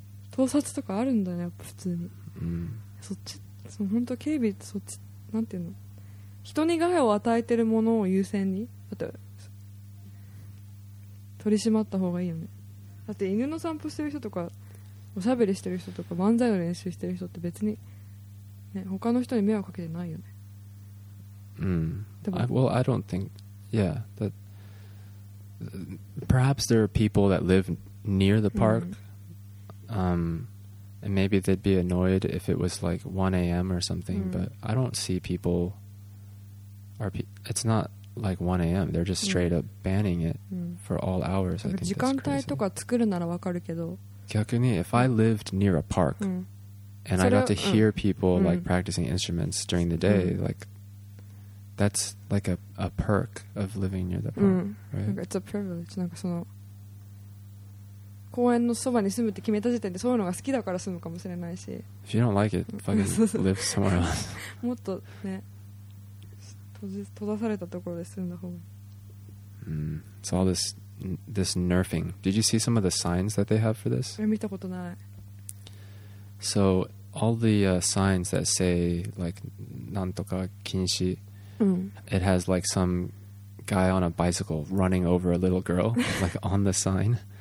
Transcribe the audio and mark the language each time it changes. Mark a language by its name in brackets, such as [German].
[Japanese] 盗撮とかあるんだね、やっぱ普通に。そっち、その本当警備そっち、なんていうの、人に害を与えてるものを優先に、だって取り締まった方がいいよね。だって犬の散歩してる人とか、おしゃべりしてる人とか、漫才の練習してる人って別に。ね、他の人に迷惑かけてないよね。 [English] Well, I don't think, yeah. That, perhaps there are people that live near the park, And maybe they'd be annoyed if it was like 1 a.m. or something, but I don't see people... It's not like 1 a.m. They're just straight up banning it for all hours. I think that's crazy. If I lived near a park and I got to hear people like practicing instruments during the day, like that's like a perk of living near the park, right? It's a privilege. [Japanese] なんかその公園のそばに住むって決めた時点でそういうのが好きだから住むかもしれないし。 [English] If you don't like it, fucking live somewhere else. [Japanese] もっとね、閉ざされたところで住んだ方が。 [English] It's all this nerfing. Did you see some of the signs that they have for this? [Japanese] 見たことない。 [English] So all the signs that say like [Japanese] なんとか禁止、 [English] it has like some guy on a bicycle running over a little girl like on the sign.